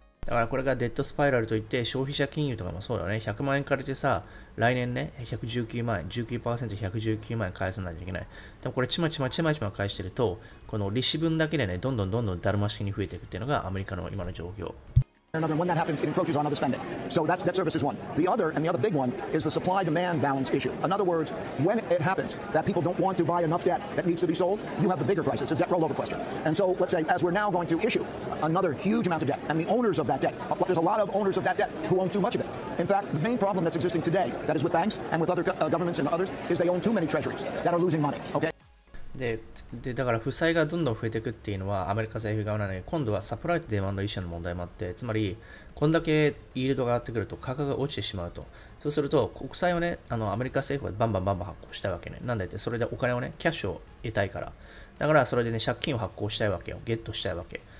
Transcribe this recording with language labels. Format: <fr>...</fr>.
<ja>だからこれがデッドスパイラルといって、消費者金融とかもそうだよね。100万円借りてさ、来年ね、119万円、19% 119万円返さないといけない。でもこれちまちま返してると、この利子分だけでね、どんどんどんどんだるま式に増えていくっていうのがアメリカの今の状況。</ja> <en>Another one that happens, it encroaches on other spending. So that's debt service is one. The other, and the other big one, is the supply-demand balance issue. In other words, when it happens that people don't want to buy enough debt that needs to be sold, you have the bigger price. It's a debt rollover question. And so, let's say, as we're now going to issue another huge amount of debt, and the owners of that debt, there's a lot of owners of that debt who own too much of it. In fact, the main problem that's existing today, that is with banks and with other governments and others, is they own too many treasuries that are losing money, okay?</en> <ja>で、だから負債がどんどん増えていくっていうのはアメリカ政府側なのに、今度はサプライとデマンドイシューの問題もあって、つまりこんだけイールドが上がってくると価格が落ちてしまうと。そうすると国債をね、アメリカ政府はバンバンバンバン発行したいわけね。なんでって、それでお金をね、キャッシュを得たいから。だからそれでね、借金を発行したいわけよ。ゲットしたいわけ。</ja>